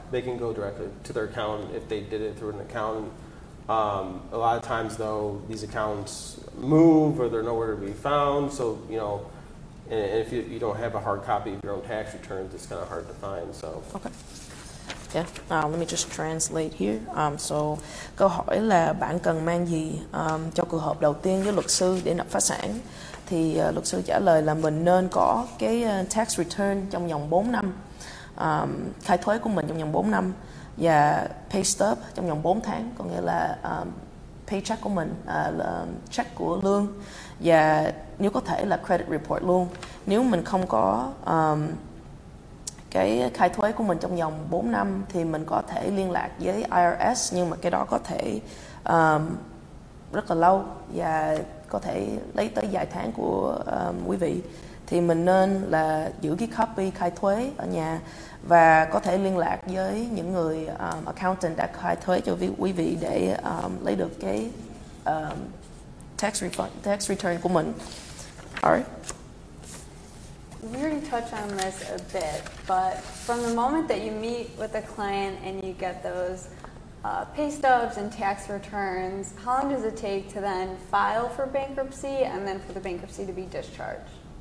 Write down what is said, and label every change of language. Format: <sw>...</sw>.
<en>They can go directly to their accountant if they did it through an accountant. A lot of times though, these accounts move or they're nowhere to be found. So, you know, and if you don't have a hard copy of your own tax returns, it's kind of hard to find, so. Okay. Yeah, let me just translate here.</en> <vi>So câu hỏi là bạn cần mang gì cho cuộc họp đầu tiên với luật sư để nộp phá sản? Thì luật sư trả lời là mình nên có cái tax return trong vòng 4 năm, khai thuế của mình trong vòng 4 năm và pay stub trong vòng 4 tháng, có nghĩa là paycheck của mình, là check của lương và nếu có thể là credit report luôn. Nếu mình không có cái khai thuế của mình trong vòng 4 năm thì mình có thể liên lạc với IRS, nhưng mà cái đó có thể rất là lâu và có thể lấy tới vài tháng của quý vị. Thì mình nên là giữ cái copy khai thuế ở nhà và có thể liên lạc với những người accountant đã khai thuế cho quý vị để lấy được cái tax return của mình.</vi> <en>Alright. We already touched on this a bit, but from the moment that you meet with a client and you get those pay stubs and tax returns, how long does it take to then file for bankruptcy and then for the bankruptcy to be discharged?</en>